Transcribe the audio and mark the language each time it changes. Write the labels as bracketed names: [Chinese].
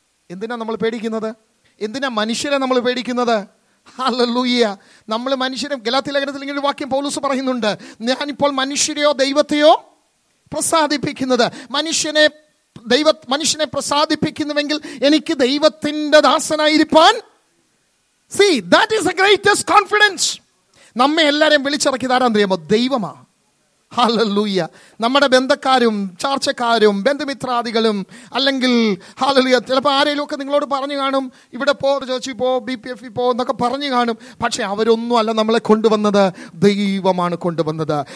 [Malayalam] എന്തിനാണ് നമ്മൾ പേടിക്കുന്നത്? എന്തിനാ മനുഷ്യരെ നമ്മൾ പേടിക്കുന്നത്? ഹല്ലേലൂയ. നമ്മൾ മനുഷ്യരെ, ഗലാത്തി ലേഖനത്തിൽ ഇങ്ങനെ ഒരു വാക്യം പൗലോസ് പറയുന്നുണ്ട്, ഞാനിപ്പോൾ മനുഷ്യരെയോ ദൈവത്തെയോ പ്രസാദിപ്പിക്കുന്നത്? മനുഷ്യനെ മനുഷ്യനെ പ്രസാദിപ്പിക്കുന്നുവെങ്കിൽ എനിക്ക് ദൈവത്തിൻ്റെ ദാസനായിരിക്കാൻ. [English] See, that is the greatest confidence. [Malayalam] നമ്മെ എല്ലാവരെയും വിളിച്ചിറക്കി താരാൻ അറിയാമോ? ദൈവമാ. ഹല്ലേലൂയ. നമ്മുടെ ബന്ധക്കാരും ചാർച്ചക്കാരും ബന്ധുമിത്രാദികളും അല്ലെങ്കിൽ ഹല്ലേലൂയ, ചിലപ്പോൾ ആരെങ്കിലും ഒക്കെ നിങ്ങളോട് പറഞ്ഞു കാണും, ഇവിടെ പോ, ചോച്ചി പോ, ബി പി എഫ് പോ എന്നൊക്കെ പറഞ്ഞു കാണും. പക്ഷെ അവരൊന്നും അല്ല നമ്മളെ കൊണ്ടുവന്നത്, ദൈവമാണ് കൊണ്ടുവന്നത്.